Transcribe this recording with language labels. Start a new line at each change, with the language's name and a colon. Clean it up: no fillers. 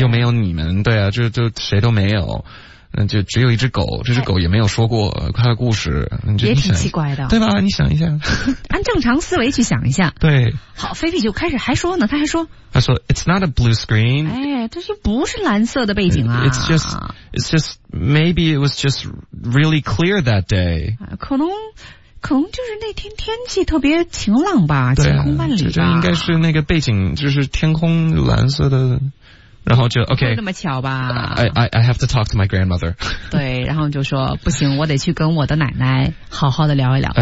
Chinese: 又没有你们，对啊，就谁都没有。那就只有一只狗，这只狗也没有说过它的故事，也挺奇怪的，对吧？你想一下，按正常思维去想一下。对，好，菲比就开始还说呢，他说
English: "It's not a blue screen"，
Chinese: 哎，这就不是蓝色的背景啊。
English: It's just maybe it was just really clear that day。
Chinese: 可能就是那天天气特别晴朗吧，晴空万里吧。这应该是那个背景，就是天空蓝色的。然后就 OK，那么巧吧。
English: I have to talk to my grandmother。
Chinese: 对，然后就说不行，我得去跟我的奶奶好好的聊一聊。